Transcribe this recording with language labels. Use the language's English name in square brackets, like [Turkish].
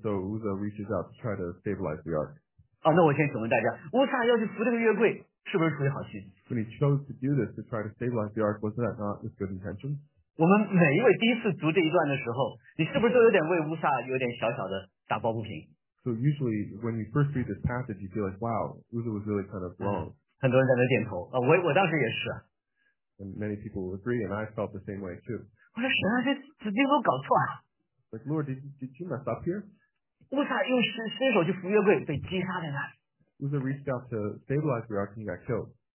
[English] so Uzzah reaches out to try to stabilize the ark. [Chinese] 那我先请问大家，乌撒要去扶这个月柜。是不是出于好心？ [English] When he chose to do this to try to stabilize the ark, wasn't that not with good intentions? [Chinese] 我们每一位第一次读这一段的时候，你是不是都有点为乌撒有点小小的打抱不平？ [English] So usually when you first read this passage, you feel like, wow, Uzzah was really kind of wrong. [Chinese] 很多人在那点头，我当时也是。 [English] And many people agree, and I felt the same way too. [Chinese] 我说神啊，这子民都搞错啊。Like [English] Lord, did you mess up here? [Chinese] 乌撒用伸手去扶月柜，被击杀在那。 [English] Uzzah reached out to stabilize the ark and he got killed.